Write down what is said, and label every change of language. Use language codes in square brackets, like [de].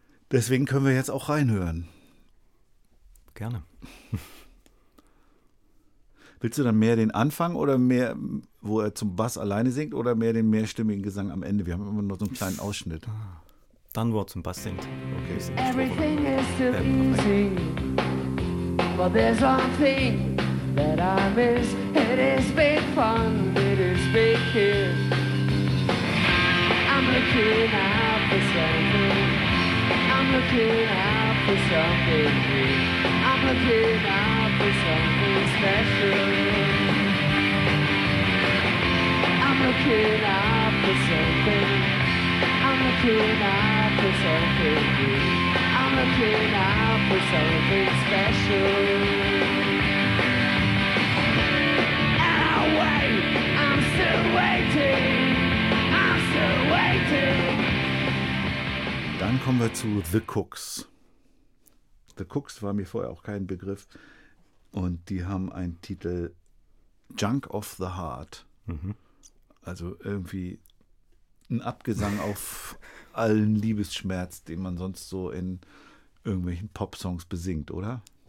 [de] Deswegen können wir jetzt auch reinhören. Gerne. Willst du dann mehr den Anfang oder mehr, wo er zum Bass alleine singt, oder mehr den mehrstimmigen Gesang am Ende? Wir haben immer nur so einen kleinen Ausschnitt. Dann, wo er zum Bass singt. Okay. [en] Everything is still easy, but there's one thing that I miss. It is big fun, it is big kiss. I'm looking out for something, I'm looking out for something. I'm looking out for something special. I'm looking out for something. I'm looking out for something. I'm looking out for something special. And I wait, I'm still waiting. I'm still waiting. [de] kommen wir zu The Cooks. The Cooks war mir vorher auch kein Begriff. Und die haben einen Titel Junk of the Heart. Mhm. Also irgendwie ein Abgesang auf allen Liebesschmerz, den man sonst so in irgendwelchen Popsongs besingt, oder?